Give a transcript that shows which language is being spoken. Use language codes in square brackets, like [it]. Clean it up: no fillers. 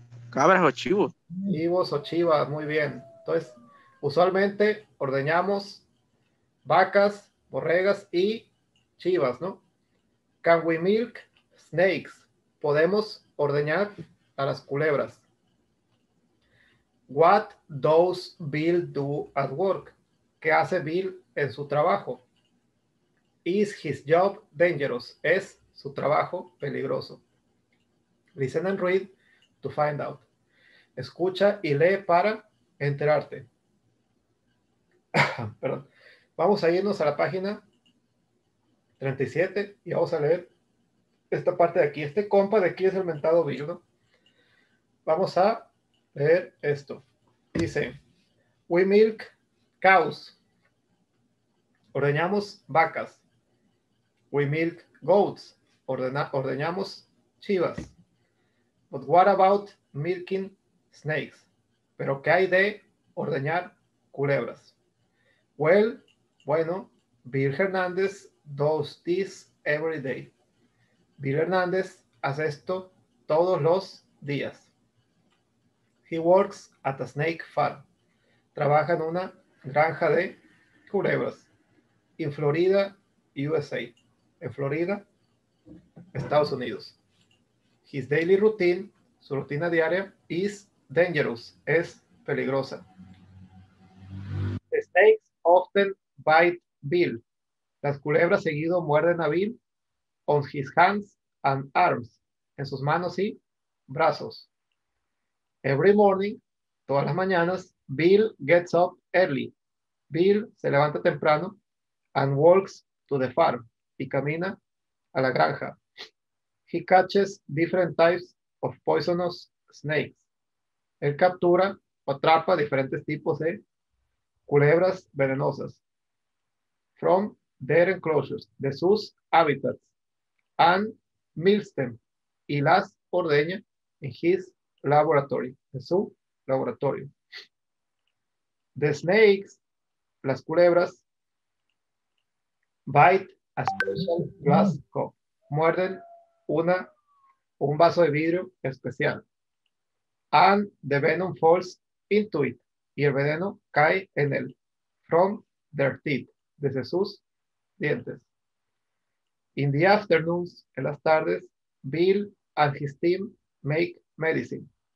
[es] Cabras o chivos. Chivos o chivas, muy bien. Entonces, usualmente ordeñamos vacas, borregas y chivas, ¿no? [en] Can we milk snakes? [es] Podemos ordeñar a las culebras. [en] What does Bill do at work? [es] ¿Qué hace Bill en su trabajo? [en] Is his job dangerous? [es] ¿Es su trabajo peligroso? [en] Listen and read to find out. [es] Escucha y lee para enterarte. Perdón. Vamos a irnos a la página 37 y vamos a leer esta parte de aquí. Este compa de aquí es el mentado Bill, ¿no? Vamos a leer esto. Dice, [en] we milk cows. [es] Ordeñamos vacas. [en] We milk goats. [es] Ordeñamos chivas. [en] But what about milking snakes? [es] Pero ¿qué hay de ordeñar culebras? [en] Well, bueno, Bill Hernández does this every day. [es] Bill Hernández hace esto todos los días. [en] He works at a snake farm. [es] Trabaja en una granja de culebras. [en] In Florida, USA. [es] En Florida, Estados Unidos. [en] His daily routine, [es] su rutina diaria, [en] is dangerous. [es] Es peligrosa. [en] The snakes often bite Bill. [es] Las culebras seguido muerden a Bill [en] on his hands and arms. [es] En sus manos y brazos. [en] Every morning, [es] todas las mañanas, [en] Bill gets up early. Bill [es] se levanta temprano [en] and walks to the farm. [es] Y camina a la granja. [en] He catches different types of poisonous snakes. [es] Él captura o atrapa diferentes tipos de culebras venenosas. [en] From their enclosures, [es] de sus hábitats. [en] And milks them. [es] Y las ordeña [en] in his laboratory, [es] en su laboratorio. [en] The snakes, [es] las culebras, [en] bite a special glass cup. [es] Muerden un vaso de vidrio especial. [en] And the venom falls into it. [es] Y el veneno cae en él. [en] From their teeth, [es] desde sus dientes. [en] In the afternoons, [es] en las tardes, [en] Bill and his team make medicine.